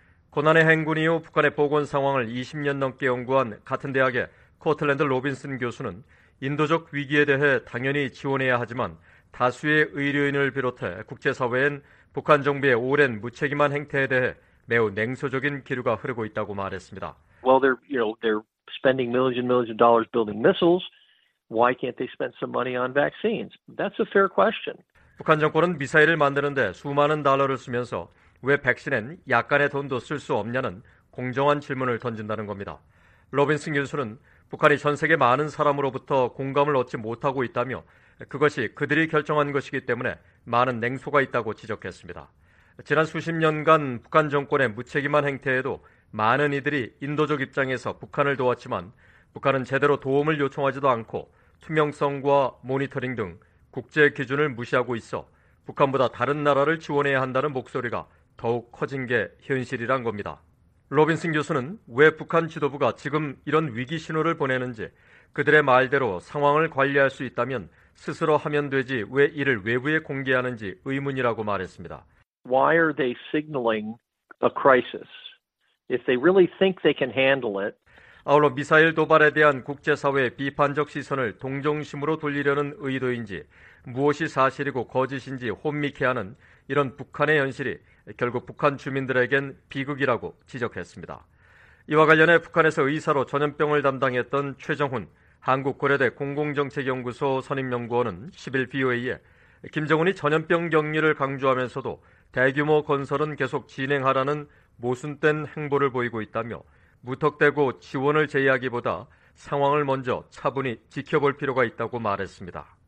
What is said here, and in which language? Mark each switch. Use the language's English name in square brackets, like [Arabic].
[Korean] 고난의 행군 이후 북한의 보건 상황을 20년 넘게 연구한 같은 대학의 코틀랜드 로빈슨 교수는 인도적 위기에 대해 당연히 지원해야 하지만 다수의 의료인을 비롯해 국제사회엔 북한 정부의 오랜 무책임한 행태에 대해 매우 냉소적인 기류가 흐르고 있다고 말했습니다. [English] Well, they're spending millions and millions of dollars building missiles. Why can't they spend some money on vaccines? That's a fair question. [Korean] 북한 정권은 미사일을 만드는데 수많은 달러를 쓰면서 왜 백신엔 약간의 돈도 쓸 수 없냐는 공정한 질문을 던진다는 겁니다. 로빈슨 교수는 북한이 전 세계 많은 사람으로부터 공감을 얻지 못하고 있다며 그것이 그들이 결정한 것이기 때문에 많은 냉소가 있다고 지적했습니다. 지난 수십 년간 북한 정권의 무책임한 행태에도 많은 이들이 인도적 입장에서 북한을 도왔지만 북한은 제대로 도움을 요청하지도 않고 투명성과 모니터링 등 국제 기준을 무시하고 있어 북한보다 다른 나라를 지원해야 한다는 목소리가 더욱 커진 게 현실이란 겁니다. 로빈슨 교수는 왜 북한 지도부가 지금 이런 위기 신호를 보내는지 그들의 말대로 상황을 관리할 수 있다면 스스로 하면 되지 왜 이를 외부에 공개하는지 의문이라고 말했습니다. [English] Why are they signaling a crisis? If they really think they can handle it. [Korean] 아울러 미사일 도발에 대한 국제사회의 비판적 시선을 동정심으로 돌리려는 의도인지 무엇이 사실이고 거짓인지 혼미케 하는 이런 북한의 현실이 결국 북한 주민들에겐 비극이라고 지적했습니다. 이와 관련해 북한에서 의사로 전염병을 담당했던 최정훈 한국고려대 공공정책연구소 선임연구원은 10일 BOA에 김정은이 전염병 격리를 강조하면서도 대규모 건설은 계속 진행하라는 모순된 행보를 보이고 있다며 무턱대고 지원을 제의하기보다 상황을 먼저 차분히 지켜볼 필요가 있다고 말했습니다.